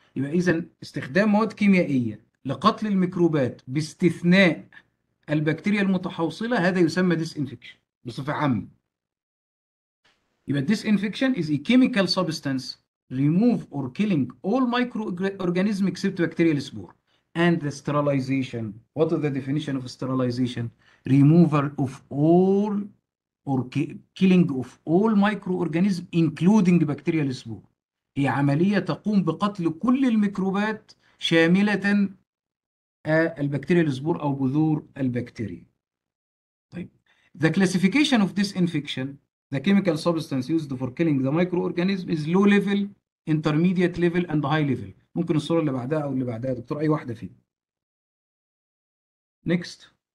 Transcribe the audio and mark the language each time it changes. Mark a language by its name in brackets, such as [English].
[Arabic] يبقى اذا استخدام مواد كيميائيه لقتل الميكروبات باستثناء البكتيريا المتحوصله هذا يسمى [English] Disinfection بصفه عامه. يبقى disinfection is a chemical substance remove or killing all microorganism except bacteria السبور. And the sterilization, what is the definition of sterilization? Removal of all or killing of all microorganisms including bacterial spore. [Arabic] هي عملية تقوم بقتل كل الميكروبات شاملة البكتيريا السبور أو بذور البكتيريا. [English] طيب the classification of this infection, the chemical substance used for killing the microorganism is low level, intermediate level and high level. [Arabic] ممكن الصورة اللي بعدها أو اللي بعدها دكتور، أي واحدة فيه. [English] Next.